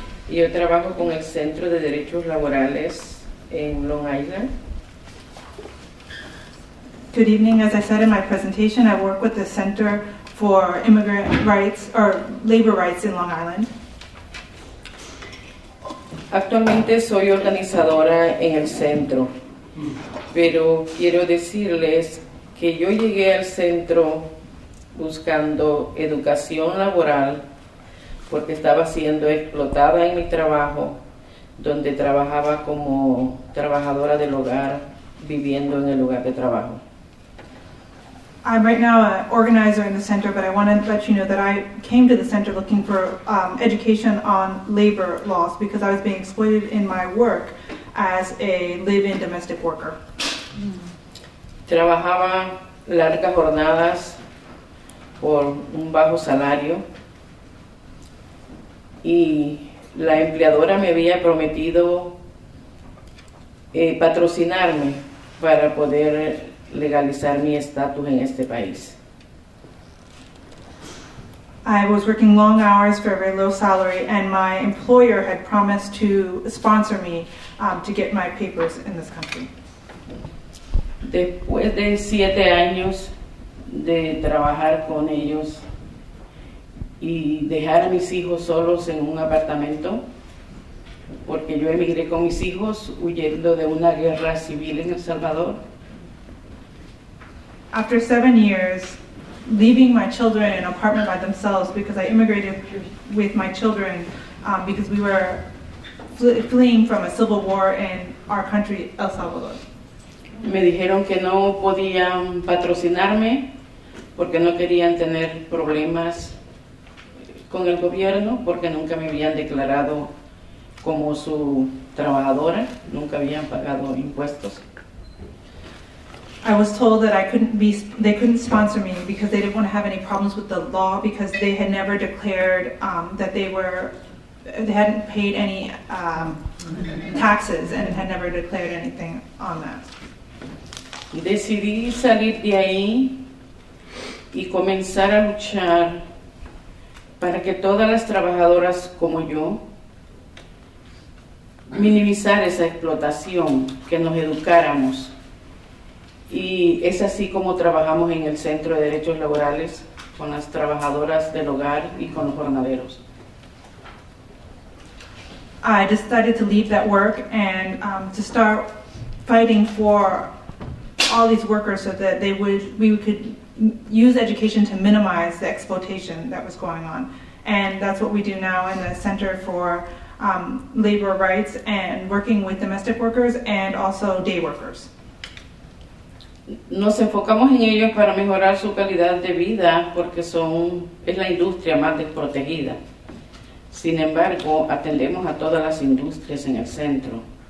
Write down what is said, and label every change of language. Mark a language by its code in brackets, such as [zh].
[es] Yo trabajo con el Centro de Derechos Laborales en Long Island. [en] Good evening. As I said in my presentation, I work with the Center for Immigrant Rights or Labor Rights in Long Island. [es] Actualmente soy organizadora en el centro, pero quiero decirles que yo llegué al centro buscando educación laboral porque estaba siendo explotada en mi trabajo, donde trabajaba como trabajadora del hogar, viviendo en el lugar de trabajo. [en] I'm right now an organizer in the center, but I want to let you know that I came to the center looking for education on labor laws because I was being exploited in my work as a live-in domestic worker. [es] Trabajaba largas jornadas por un bajo salario y la empleadora me había prometido patrocinarme para poder legalizar mi estatus en este país. [en] I was working long hours for a very low salary, and my employer had promised to sponsor me to get my papers in this country. [es] Después de 7 años de trabajar con ellos y dejar a mis hijos solos en un apartamento, porque yo emigré con mis hijos huyendo de una guerra civil en El Salvador. [en] After 7 years, leaving my children in an apartment by themselves because I immigrated with my children because we were fleeing from a civil war in our country, El Salvador. [es] Me dijeron que no podían patrocinarme porque no querían tener problemas con el gobierno porque nunca me habían declarado como su trabajadora, nunca habían pagado impuestos. [en] I was told that they couldn't sponsor me because they didn't want to have any problems with the law because they had never declared that they hadn't paid any taxes and had never declared anything on that. [es] Decidí salir de ahí y comenzar a luchar para que todas las trabajadoras como yo minimizar esa explotación, que nos educáramos. Y es así como trabajamos en el Centro de Derechos Laborales con las trabajadoras del hogar y con los jornaleros. [en] I decided to leave that work and to start fighting for all these workers so that we could use education to minimize the exploitation that was going on and that's what we do now in the Center for Labor Rights and working with domestic workers and also day workers. [es] Nos enfocamos en ellos para mejorar su calidad de vida porque son, es la industria más desprotegida. Sin embargo, atendemos a todas las industrias en el centro.